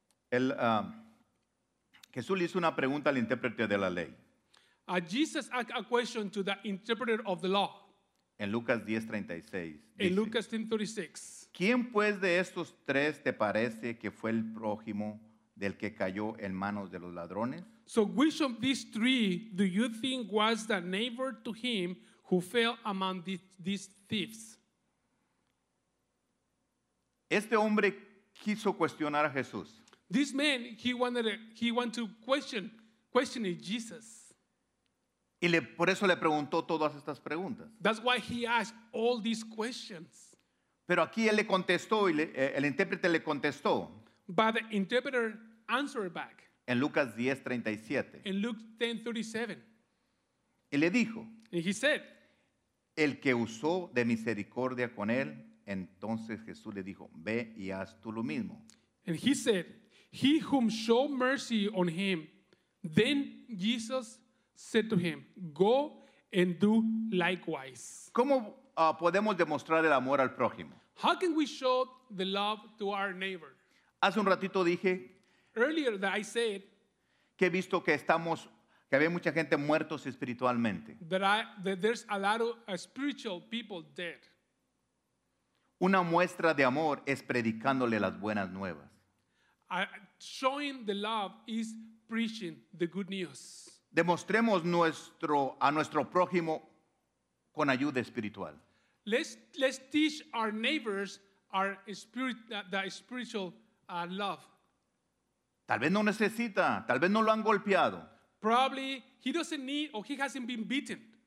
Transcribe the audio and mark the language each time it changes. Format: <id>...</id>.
<es>Jesús le hizo una pregunta al intérprete de la ley.</es> <en>Jesus asked a question to the interpreter of the law.</en> <es>En Lucas 10:36.</es> <en>In Lucas 10:36.</en> <es>¿Quién pues de estos tres te parece que fue el prójimo del que cayó en manos de los ladrones?</es> <en>So which of these three do you think was the neighbor to him who fell among these thieves?</en> <es>Este hombre quiso cuestionar a Jesús.</es> <en>This man, he wanted to question Jesus.</en> <es>Y le, por eso le preguntó todas estas preguntas.</es> <en>That's why he asked all these questions.</en> <es>Pero aquí él le contestó, y el intérprete le contestó.</es> <en>But the interpreter answered back.</en> <es>En Lucas 10:37.</es> <en>In Luke 10:37.</en> <es>Y le dijo.</es> <en>And he said.</en> <es>El que usó de misericordia con él, entonces Jesús le dijo, ve y haz tú lo mismo.</es> <en>And he said. He whom showed mercy on him, then Jesus said to him, go and do likewise.</en> <es>¿Cómo podemos demostrar el amor al prójimo?</es> <en>How can we show the love to our neighbor?</en> <es>Hace un ratito dije,</es> <en>earlier that I said,</en> <es>que he visto que estamos, que había mucha gente muertos espiritualmente.</es> <en>That there's a lot of spiritual people dead.</en> <es>Una muestra de amor es predicándole las buenas nuevas.</es> <en>Showing the love is preaching the good news.</en> <es>Demostremos a nuestro prójimo con ayuda espiritual.</es> <en>Let's teach our neighbors our spirit, the spiritual love.</en> <es>Tal vez no necesita, tal vez no lo han golpeado.</es> <en>Probably he doesn't need or he hasn't been beaten.</en>